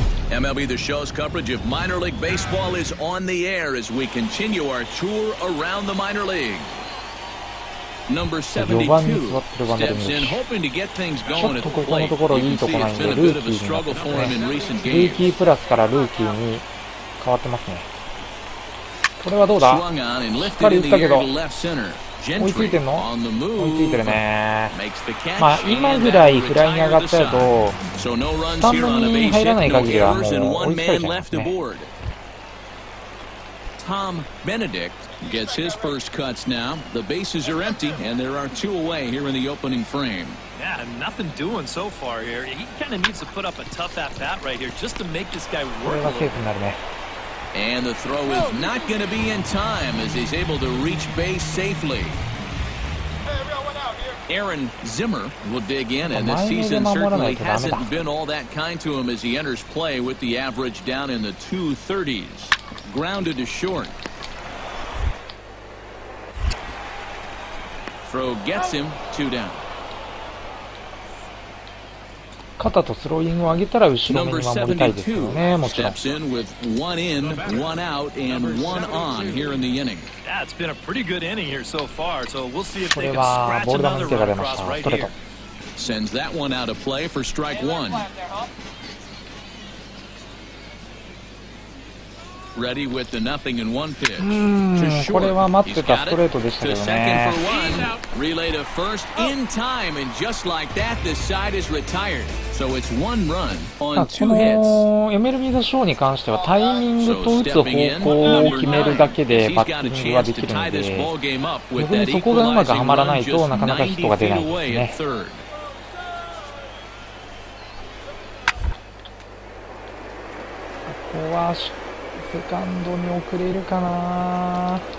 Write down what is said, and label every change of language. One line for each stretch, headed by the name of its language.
English: MLB The Show's coverage of minor league baseball is on the air as we continue our tour around the minor league.
Japanese: 4番に座ってるワンダリングルフィッシュ。ちょっとここのところいいとこないんで、ルーキーになってますね。ルーキープラスからルーキーに変わってますね。これはどうだ、しっかり打ったけど追いついてんの、追いついてるね。まあ今ぐらいフライに上がっちゃうとスタンドに入らない限りはもう追いつかれちゃうんですね。
English: Tom Benedict gets his first cuts now. The bases are empty, and there are two away here in the opening frame. Yeah, nothing doing so far here. He kind of needs to put up a tough at-bat right here just to make this guy work. And the throw is not going to be in time as he's able to reach base safely. Aaron Zimmer will dig in, and this season certainly hasn't been all that kind to him as he enters play with the average down in the 230s. Grounded to short. Throw gets him, two down.
Japanese: 肩とスローイングを上げたら後ろ目に守りたいですよね、もちろん。
English: Steps in with one in, one out, and one on here in the inning. That's been a pretty good inning here so far. So we'll see if they can scratch another run across right here. Sends that one out of play for strike one. Ready with the nothing in one pitch.
Japanese: これは待ってたストレートでしたけどね。
English: Relay to first in time, and just like that, the side is retired. So it's one run on two hits.
Japanese: このMLBのショーに関してはタイミングと打つ方向を決めるだけでバッティングはできるので、逆にそこがうまくはまらないとなかなかヒットが出ないですね。ここはセカンドに遅れるかな。